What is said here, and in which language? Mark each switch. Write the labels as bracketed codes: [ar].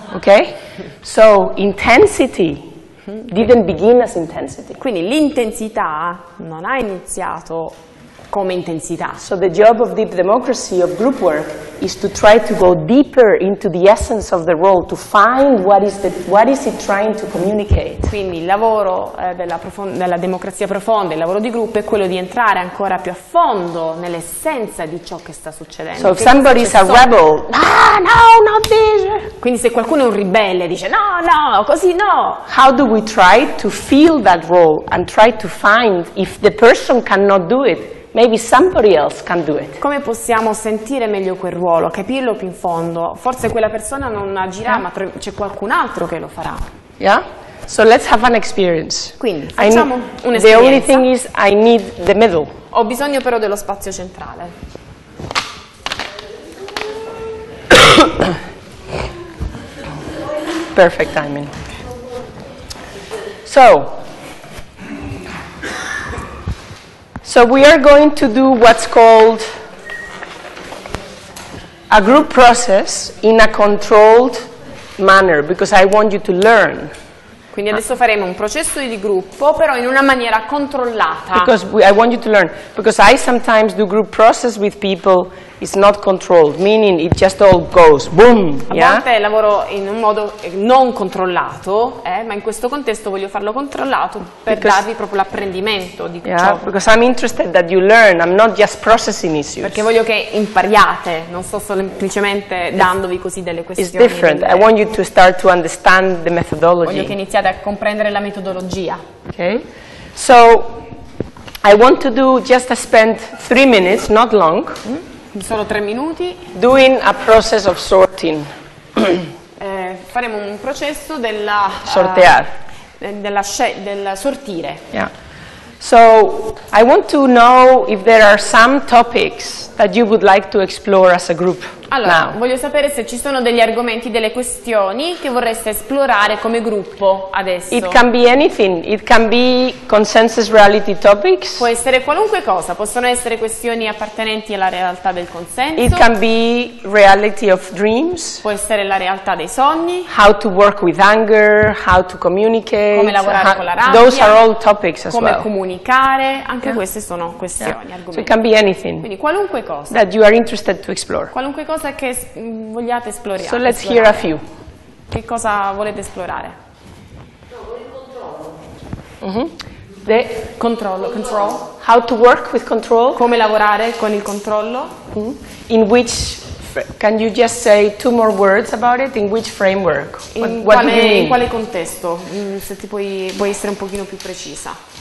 [en] Okay. So intensity didn't begin as intensity. [it] Quindi l'intensità non ha iniziato come intensità. [en] So the job of deep democracy of group work is to try to go deeper into the essence of the role to find what is it trying to communicate. [it] Quindi il lavoro della democrazia profonda, il lavoro di gruppo è quello di entrare ancora più a fondo nell'essenza di ciò che sta succedendo. [en] So if somebody is a rebel, no, not this. [it] Quindi se qualcuno è un ribelle dice no, no, così no. [en] How do we try to fill that role and try to find if the person cannot do it? Maybe somebody else can do it. [it] Come possiamo sentire meglio quel ruolo, capirlo più in fondo? Forse quella persona non agirà, ma c'è qualcun altro che lo farà. [en] Yeah? So let's have an experience. [it] Quindi facciamo un'esperienza. [en] The only thing is I need the middle. [it] Ho bisogno però dello spazio centrale. [en] Perfect timing. So So we are going to do what's called a group process in a controlled manner because I want you to learn. [it] Quindi adesso faremo un processo di gruppo, però in una maniera controllata. [en] Because I want you to learn. Because I sometimes do group process with people, it's not controlled, meaning it just all goes boom. [it] A volte lavoro in un modo non controllato, ma in questo contesto voglio farlo controllato per darvi proprio l'apprendimento di ciò. [en] Because I'm interested that you learn, I'm not just processing issues. [it] Perché voglio che impariate, non sto semplicemente dandovi così delle questioni. [en] It's different. I want you to start to understand the methodology. [it] Voglio che iniziate a comprendere la metodologia. [en] Okay. So I want to do just spend 3 minutes, not long. [it] Solo 3 minuti. [en] Doing a process of sorting. [it] Faremo un processo della [es] sortear. [it] Del sortire. [en] Yeah. So I want to know if there are some topics that you would like to explore as a group. [it] Allora, [en] now. [it] Voglio sapere se ci sono degli argomenti, delle questioni che vorreste esplorare come gruppo adesso. [en] It can be anything. It can be consensus reality topics. [it] Può essere qualunque cosa. Possono essere questioni appartenenti alla realtà del consenso. [en] It can be reality of dreams. [it] Può essere la realtà dei sogni. [en] How to work with anger, how to communicate. [it] Come lavorare con la rabbia. [en] Those are all topics as [it] come [en] well. [it] Come comunicare. Anche queste sono questioni, argomenti. [en] So it can be anything. [it] Quindi qualunque cosa. [en] That you are interested to explore. [it] Qualunque cosa che vogliate esplorare. [en] So let's hear a few. [it] Che cosa volete esplorare? Controllo. [en] How to work with control? [it] Come lavorare con il controllo? Mm-hmm. [en] In which can you just say 2 more words about it? In which framework? [it] In quale contesto? Se ti puoi essere un pochino più precisa.